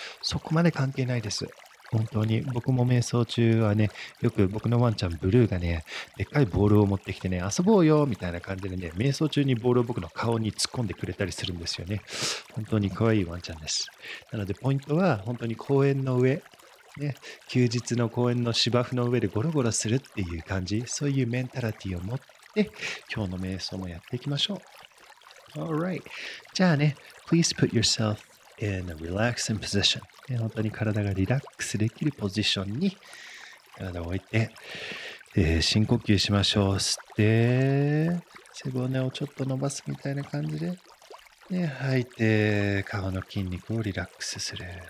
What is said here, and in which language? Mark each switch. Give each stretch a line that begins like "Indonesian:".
Japanese: そこまで関係ないです。本当に僕も瞑想中はね、よく僕のワンちゃんブルーがね、でっかいボールを持ってきてね、遊ぼうよみたいな感じでね、瞑想中にボールを僕の顔に突っ込んでくれたりするんですよね。本当に可愛いワンちゃんです。なのでポイントは本当に公園の上、ね、休日の公園の芝生の上でゴロゴロするっていう感じ、そういうメンタリティを持って今日の瞑想もやっていきましょう。
English: All right.
Japanese: じゃあね、
English: Please put yourselfIn a relaxing position.
Japanese: 本当に体がリラックスできるポジションに体を置いて、深呼吸しましょう。吸って、背骨をちょっと伸ばすみたいな感じで、で吐いて、顔の筋肉をリラックスする。